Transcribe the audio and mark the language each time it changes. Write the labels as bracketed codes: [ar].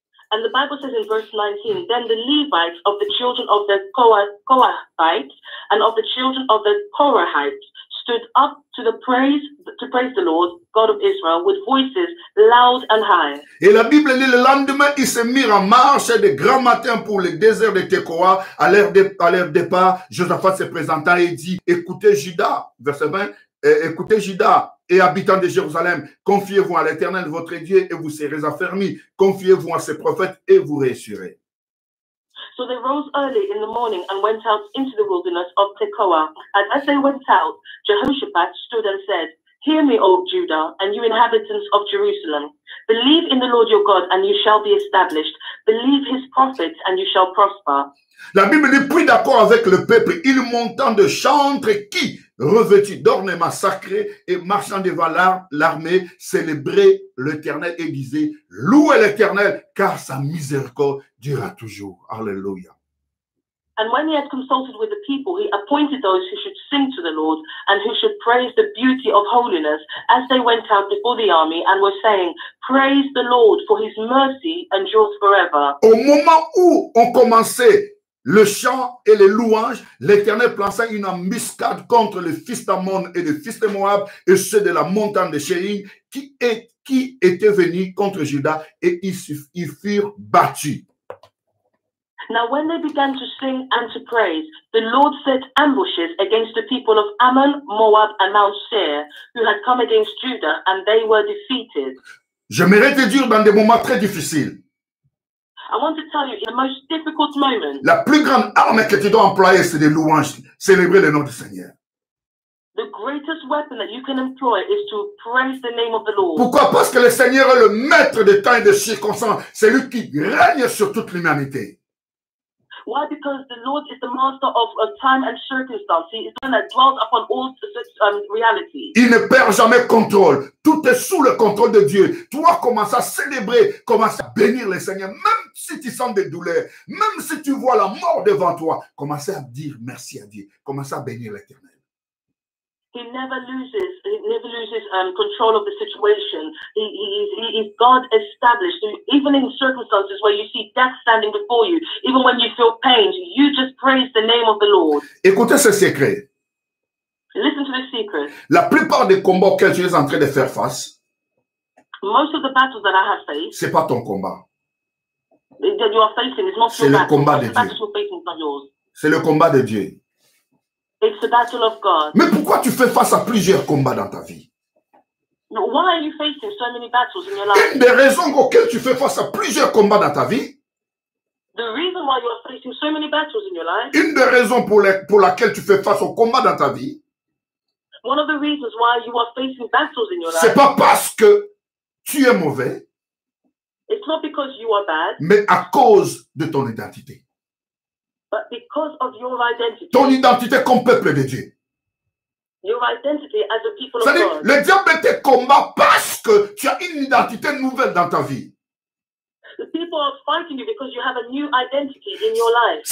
[en] And the Bible says in verse 19, then the Levites of the children of the Kohathites and of the children of the Korahites stood up to the praise to praise the Lord, God of Israel, with voices loud and high. [fr] Et la Bible dit, le lendemain, ils se mirent en marche de grand matin pour le désert de Tekoa. À leur départ, Josaphat se présenta et dit, écoutez Juda, verset 20, écoutez Juda. Et habitants de Jérusalem, confiez-vous à l'Éternel votre Dieu et vous serez affermis. Confiez-vous à ses prophètes et vous réussirez. [en] So they rose early in the morning and went out into the wilderness of Tekoa. And as they went out, Jehoshaphat stood and said, hear me, O Judah, and you inhabitants of Jerusalem. Believe in the Lord your God, and you shall be established. Believe his prophets, and you shall prosper. [fr] La Bible dit, puis d'accord avec le peuple, il montant de chantre qui revêtu d'ornements sacrés et marchant devant l'armée, célébrait l'Éternel et disait, louez l'Éternel, car sa miséricorde durera toujours. Alléluia. [en] And when he had consulted with the people, he appointed those who should sing to the Lord and who should praise the beauty of holiness as they went out before the army and were saying, praise the Lord for his mercy endures forever. [fr] Au moment où on commençait le chant et les louanges, l'Éternel plaça une embuscade contre les fils d'Ammon et les fils de Moab et ceux de la montagne de Seir qui étaient venus contre Juda et ils furent battus. [en] Now when they began to sing and to praise, the Lord set ambushes against the people of Ammon, Moab and Mount Seir who had come against Judah and they were defeated. [fr] Je mérite de dire dans des moments très difficiles. [en] I want to tell you, in the most difficult moment, [fr] la plus grande arme que tu dois employer, c'est des louanges, célébrer le nom du Seigneur. [en] The greatest weapon that you can employ is to praise the name of the Lord. [fr] Pourquoi? Parce que le Seigneur est le maître des temps et des circonstances. C'est lui qui règne sur toute l'humanité. [en] Why? Because the Lord is the master of time and circumstance. He is the one that dwells upon all reality. [fr] Il ne perd jamais contrôle. Tout est sous le contrôle de Dieu. Toi, commence à célébrer, commence à bénir le Seigneur. Même si tu sens des douleurs, même si tu vois la mort devant toi, commence à dire merci à Dieu. Commence à bénir l'Éternel. [en] He never loses control of the situation. He is God established. Even in circumstances where you see death standing before you, even when you feel pain, you just praise the name of the Lord. [fr] Écoutez ce secret. [en] Listen to the secret. [fr] La plupart des combats auxquels tu es en train de faire face, [en] most of the battles that I have faced, [fr] c'est pas ton combat. [en] That you are facing is not [fr] c'est [en] your [fr] le combat de Dieu. [en] Facing, [fr] c'est le combat de Dieu. [en] It's the battle of God. [fr] Mais pourquoi tu fais face à plusieurs combats dans ta vie? [en] Why are you facing so many battles in your life? [fr] Une des raisons auxquelles tu fais face à plusieurs combats dans ta vie. [en] The reason why you are facing so many battles in your life. [fr] Une des raisons pour laquelle tu fais face aux combats dans ta vie. [en] One of the reasons why you are facing battles in your life. [fr] C'est pas parce que tu es mauvais. [en] It's not because you are bad. [fr] Mais à cause de ton identité. [en] But because of your identity, [fr] ton identité comme peuple de Dieu. [en] Your identity as a people of God. [fr] Le diable te combat parce que tu as une identité nouvelle dans ta vie. [en] The people are fighting you because you have a new identity in your life.